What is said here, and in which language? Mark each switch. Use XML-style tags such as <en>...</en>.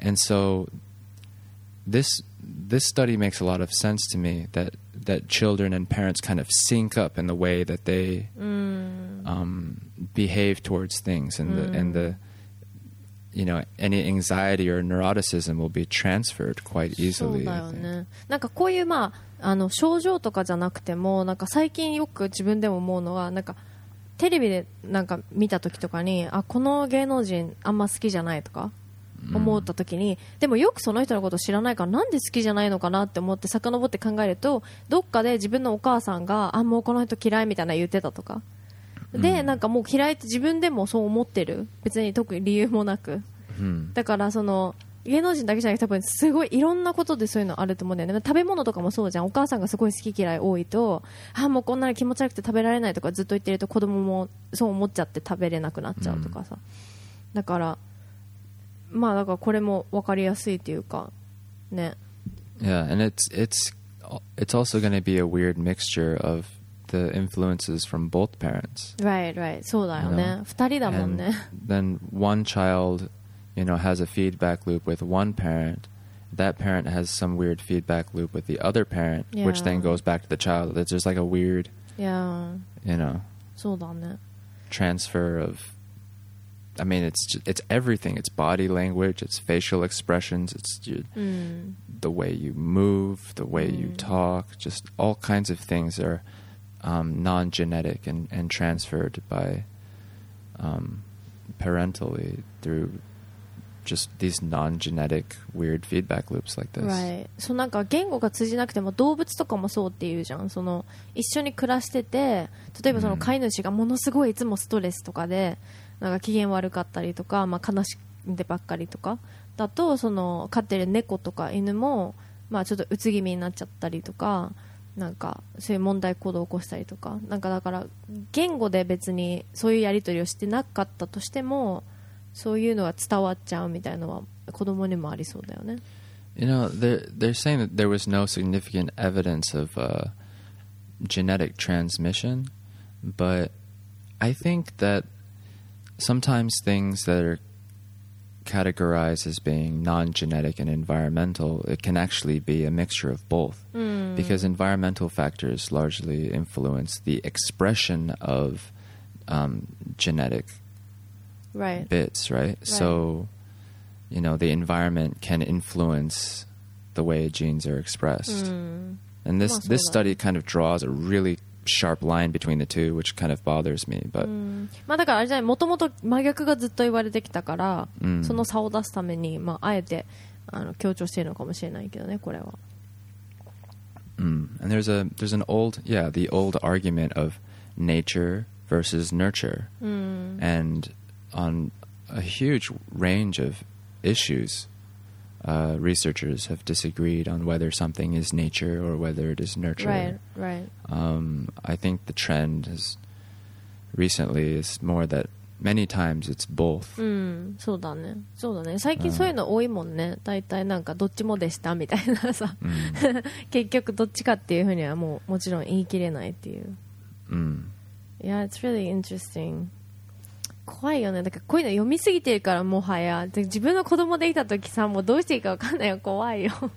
<en>And so this study makes a lot of sense to me, that children and parents kind of sync up in the way that they behave towards things, and the you know, any anxiety or neuroticism will be transferred quite easily.</en> <ja>なんかこういう、まあ、あの症状とかじゃなくても、なんか最近よく自分でも思うのは、なんかテレビでなんか見た時とかに、あ、この芸能人あんま好きじゃないとか思った時に、でもよくその人のこと知らないから、なんで好きじゃないのかなって思って遡って考えると、どっかで自分のお母さんが、あ、もうこの人嫌いみたいな言ってたとかで、なんかもう嫌いって自分でもそう思ってる、別に特に理由もなく、だからその芸能人だけじゃなくて、多分すごいいろんなことでそういうのあると思うんだよね。食べ物とかもそうじゃん、お母さんがすごい好き嫌い多いと、あ、もうこんなに気持ち悪くて食べられないとかずっと言ってると、子供もそう思っちゃって食べれなくなっちゃうとかさ、だからまあ、だからこれも分かりやすいというかね。</ja> <en>Yeah, and it's also going to be a weird mixture of the influences from both parents. Right, right.</en> <ja>そうだよね。二人だもんね。</ja> <en>Then one child, you know, has a feedback loop with one parent. That parent has some weird feedback loop with the other parent, which then goes back to the child. It's just like a weird, you know,</en> <ja>そうだね。</ja> <en>transfer of, I mean, it's everything. It's body language, it's facial expressions, it's the way you move, the way you talk, just all kinds of things are non-genetic and transferred by parentally through just these non-genetic weird feedback loops like this. Right.</en> <ja>So, なんか言語が通じなくても動物とかもそうっていうじゃん。その一緒に暮らしてて、例えばその飼い主がものすごいいつもストレスとかで、なんか機嫌悪かったりとか、まあ、悲しんでばっかりとかだと、その飼ってる猫とか犬も、まあ、ちょっとうつ気味になっちゃったりとか、なんかそういう問題行動を起こしたりとか、なんかだから言語で別にそういうやり取りをしてなかったとしても、そういうのが伝わっちゃうみたいなのは子供にもありそうだよね。</ja> <en>You know, they're saying that there was no significant evidence of genetic transmission, but I think thatSometimes things that are categorized as being non-genetic and environmental, it can actually be a mixture of both. Because environmental factors largely influence the expression of genetic bits, right? So, you know, the environment can influence the way genes are expressed. And this study kind of draws a really... sharp line between the two, which kind of bothers me, but</en> <ja>まあだからあれじゃない、もともと真逆がずっと言われてきたから、その差を出すために、まああえてあの強調しているのかもしれないけどね、これは。</ja> <en>And there's an old, yeah, the old argument of nature versus nurture. And on a huge range of issues, researchers have disagreed on whether something is nature or whether it is nurture. Right. I think the trend has recently is more that many times it's both.</en> <ja>そうだね。そうだね。最近そういうの多いもんね。大体なんかどっちもでしたみたいなさ。結局どっちかっていうふうにはもうもちろん言い切れないっていう。</ja> <en>Yeah, it's really interesting.</en> <ja>怖いよね。だからこういうの読みすぎてるからもはや。自分の子供でいた時さ、もうどうしていいか分かんないよ。怖いよ。</ja>